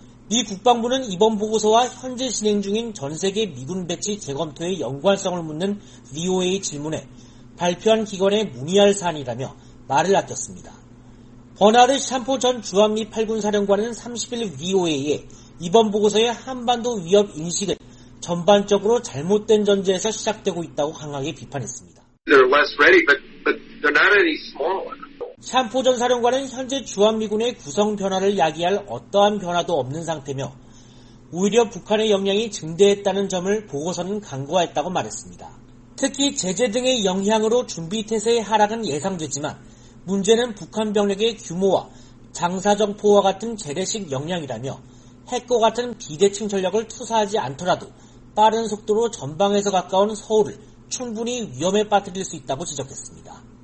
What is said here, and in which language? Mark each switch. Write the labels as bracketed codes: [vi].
[ko] 미 국방부는 이번 보고서와 현재 진행 중인 전 세계 미군 배치 재검토의 연관성을 묻는 VOA 질문에 발표한 기관에 문의할 사안이라며 말을 아꼈습니다. 버나르 샴포 전 주한미 8군 사령관은 30일 VOA에 이번 보고서의 한반도 위협 인식은 전반적으로 잘못된 전제에서 시작되고 있다고 강하게 비판했습니다. [en] They're less ready, but they're not any smaller. [ko] 샴포 전 사령관은 현재 주한미군의 구성 변화를 야기할 어떠한 변화도 없는 상태며 오히려 북한의 역량이 증대했다는 점을 보고서는 강조했다고 말했습니다. 특히 제재 등의 영향으로 준비태세의 하락은 예상되지만 문제는 북한 병력의 규모와 장사정 포와 같은 재래식 역량이라며 핵과 같은 비대칭 전력을 투사하지 않더라도 빠른 속도로 전방에서 가까운 서울을 충분히 위험에 빠뜨릴 수 있다고 지적했습니다.